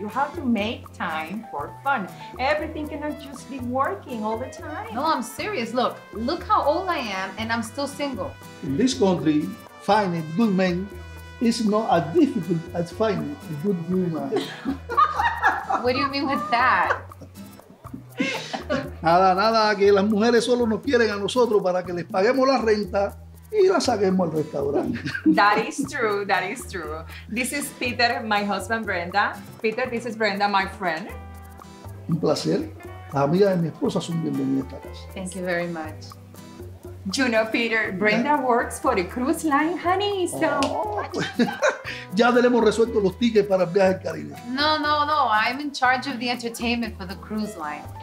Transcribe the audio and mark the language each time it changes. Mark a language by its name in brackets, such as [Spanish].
[English] You have to make time for fun. Everything cannot just be working all the time. No, I'm serious. Look how old I am and I'm still single. In this country, finding good men is not as difficult as finding a good woman. What do you mean with that? [Spanish] Nada, que las mujeres solo nos quieren a nosotros para que les paguemos la renta y la saquemos al restaurante. [English] That is true. This is Peter, my husband Brenda. Peter, this is Brenda, my friend. [Spanish] Un placer. Las amigas de mi esposa son bienvenidas a casa. [English] Thank you very much. You know, Peter, Brenda works for the cruise line, honey, so... [Spanish] Ya tenemos resuelto los tickets para el viaje al Caribe. [English] No. I'm in charge of the entertainment for the cruise line.